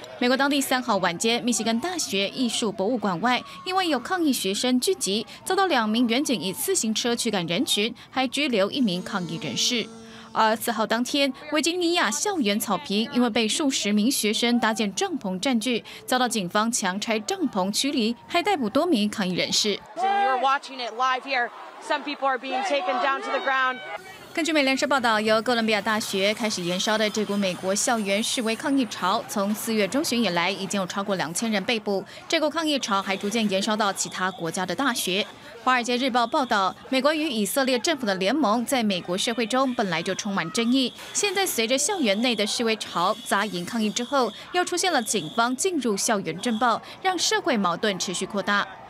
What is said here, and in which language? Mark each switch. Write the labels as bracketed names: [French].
[Chinese] 美国当地三号晚间，密西根大学艺术博物馆外，因为有抗议学生聚集，遭到两名援警以自行车驱赶人群，还拘留一名抗议人士。而四号当天，维吉尼亚校园草坪因为被数十名学生搭建帐篷占据，遭到警方强拆帐篷驱离，还逮捕多名抗议人士。 [English] You're watching it live here. Some people are being taken down to the ground. [Chinese] 根据美联社报道，由哥伦比亚大学开始延烧的这股美国校园示威抗议潮，从四月中旬以来已经有超过2000人被捕。这股抗议潮还逐渐延烧到其他国家的大学。华尔街日报报道，美国与以色列政府的联盟在美国社会中本来就充满争议，现在随着校园内的示威潮杂营抗议之后，又出现了警方进入校园震爆，让社会矛盾持续扩大。